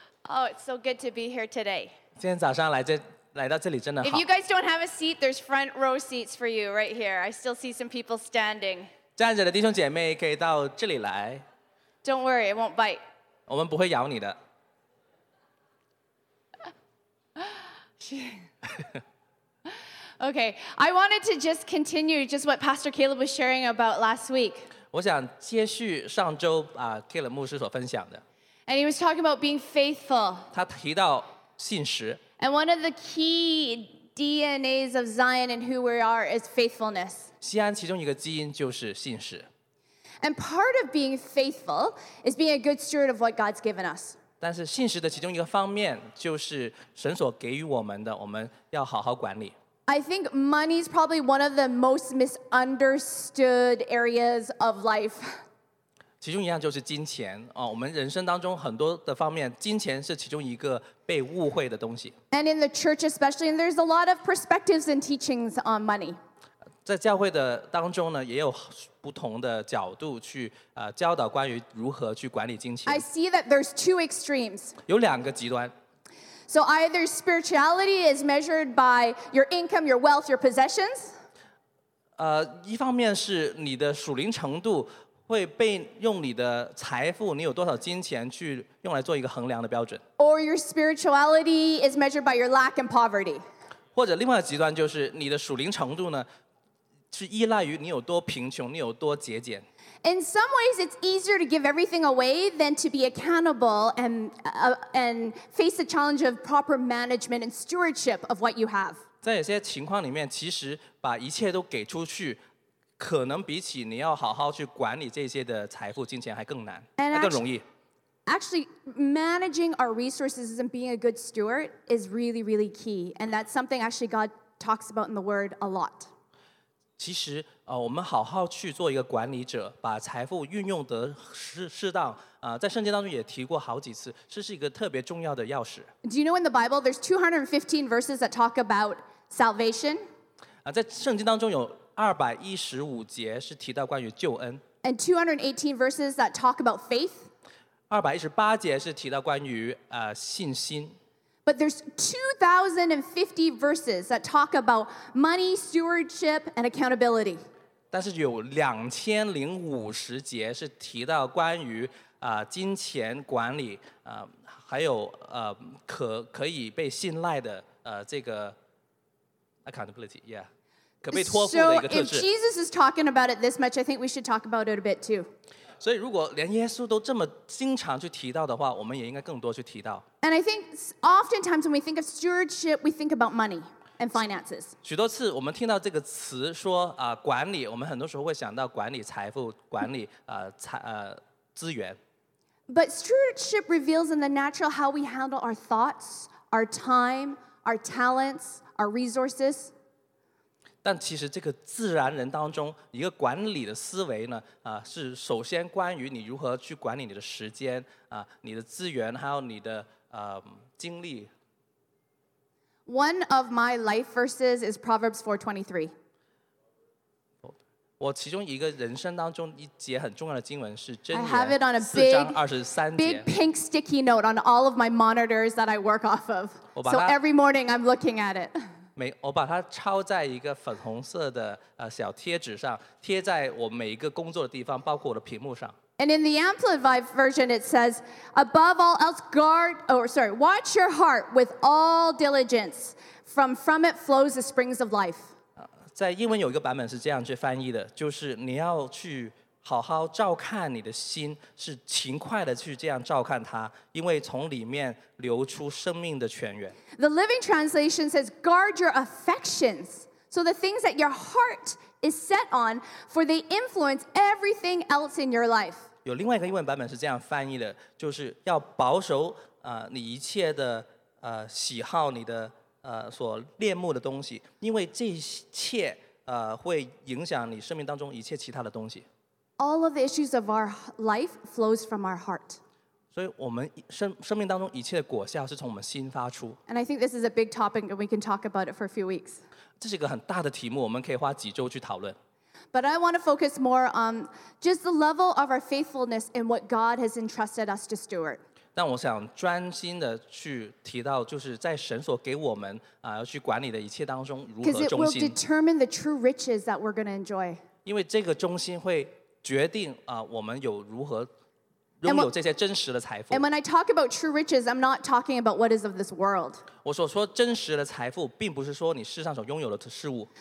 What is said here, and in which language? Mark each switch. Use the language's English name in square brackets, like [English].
[English] Oh, it's so good to be here today. [Chinese] 今天早上来到这里真的好。 [English] If you guys don't have a seat, there's front row seats for you right here. I still see some people standing. [Chinese] 站着的弟兄姐妹可以到这里来。 [English] Don't worry, it won't bite. [Chinese] 我们不会咬你的。 [English] Okay, I wanted to just continue just what Pastor Caleb was sharing about last week. [Chinese] 我想接续上周啊 Caleb 牧师所分享的。 [English] And he was talking about being faithful. [Chinese] 他提到信实。 [English] And one of the key DNAs of Zion and who we are is faithfulness. [Chinese] 西安其中一个基因就是信实。 [English] And part of being faithful is being a good steward of what God's given us. [Chinese] 但是信实的其中一个方面就是神所给予我们的，我们要好好管理。 [English] I think money is probably one of the most misunderstood areas of life. [Chinese] 其中一样就是金钱，我们人生当中很多的方面，金钱是其中一个被误会的东西。 [English] And in the church especially, and there's a lot of perspectives and teachings on money. [Chinese] 在教会的当中呢，也有不同的角度去教导关于如何去管理金钱。 [English] I see that there's two extremes. [Chinese] 有两个极端。 [English] So either spirituality is measured by your income, your wealth, your possessions. [Chinese] 一方面是你的属灵程度会被用你的财富，你有多少金钱去用来做一个衡量的标准。 [English] Or your spirituality is measured by your lack and poverty. [Chinese] 或者另外的极端就是你的属灵程度呢，是依赖于你有多贫穷，你有多节俭。 [English] In some ways, it's easier to give everything away than to be accountable and face the challenge of proper management and stewardship of what you have. [Chinese] 在有些情况里面，其实把一切都给出去，可能比起你要好好去管理这些的财富、金钱还更难，还更容易。 [English] Actually, managing our resources and being a good steward is really, really key, and that's something actually God talks about in the Word a lot. [Chinese] 其实。我们好好去做一个管理者，把财富运用得适当。在圣经当中也提过好几次，这是一个特别重要的钥匙。 [English] Do you know in the Bible there's 215 verses that talk about salvation? [Chinese] 在圣经当中有215节是提到关于救恩。 [English] And 218 verses that talk about faith? [Chinese] 218节是提到关于信心。 [English] But there's 2,050 verses that talk about money, stewardship, and accountability. [Chinese] 但是有2,050节是提到关于金钱管理，还有可以被信赖的这个 [English] accountability, yeah, [Chinese] 可被托付的一个特质。 [English] So if Jesus is talking about it this much, I think we should talk about it a bit too. [Chinese] 所以如果连耶稣都这么经常去提到的话，我们也应该更多去提到。 [English] And I think oftentimes when we think of stewardship, we think about money and finances. [Chinese] 许多次我们听到这个词说管理，我们很多时候会想到管理财富，管理资源。 [English] But stewardship reveals in the natural how we handle our thoughts, our time, our talents, our resources. [Chinese] 但其实这个自然人当中一个管理的思维呢，是首先关于你如何去管理你的时间，你的资源，还有你的经历。 [English] One of my life verses is Proverbs 4:23. [Chinese] 我其中一个人生当中一节很重要的经文是箴言 [English] I have it on a big, [Chinese] 23节 [English] big pink sticky note on all of my monitors that I work off of. So every morning I'm looking at it. [Chinese] 我把它抄在一个粉红色的小贴纸上，贴在我每一个工作的地方，包括我的屏幕上。 [English] And in the Amplified version, it says, "Above all else, watch your heart with all diligence. From it flows the springs of life." [Chinese] 在英文有一个版本是这样去翻译的，就是你要去好好照看你的心，是勤快的去这样照看它，因为从里面流出生命的泉源。 [English] The Living Translation says, "Guard your affections." So the things that your heart is set on, for they influence everything else in your life. [Chinese] 有另外一个英文版本是这样翻译的，就是要保守你一切的喜好，你的所恋慕的东西，因为这一切会影响你生命当中一切其他的东西。 [English] All of the issues of our life flows from our heart. [Chinese] 所以我们生命当中一切的果效是从我们心发出。 [English] And I think this is a big topic, and we can talk about it for a few weeks. [Chinese] 这是一个很大的题目，我们可以花几周去讨论。 [English] But I want to focus more on just the level of our faithfulness in what God has entrusted us to steward. [Chinese] 但我想专心的去提到，就是在神所给我们要去管理的一切当中如何忠心。 [English] Because it will determine the true riches that we're going to enjoy. [Chinese] 因为这个忠心会决定我们有如何拥有这些真实的财富。 [English] And when I talk about true riches, I'm not talking about what is of this world. [Chinese] 我所说真实的财富并不是说你世上所拥有的事物。